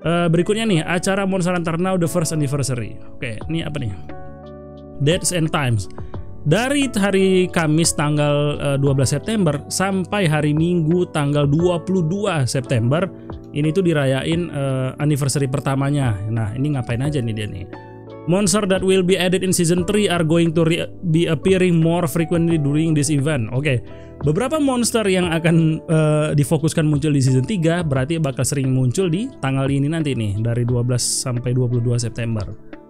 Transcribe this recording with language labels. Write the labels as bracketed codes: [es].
[id] Berikutnya nih, acara Monster Hunter Now the first anniversary. Oke, ini apa nih, [en] dates and times. [id] Dari hari Kamis tanggal 12 September sampai hari Minggu tanggal 22 September, ini tuh dirayain anniversary pertamanya. Nah, ini ngapain aja nih dia nih. [en] Monster that will be added in season 3 are going to be appearing more frequently during this event. [id] Oke, beberapa monster yang akan difokuskan muncul di season 3 berarti bakal sering muncul di tanggal ini nanti nih, dari 12 sampai 22 September.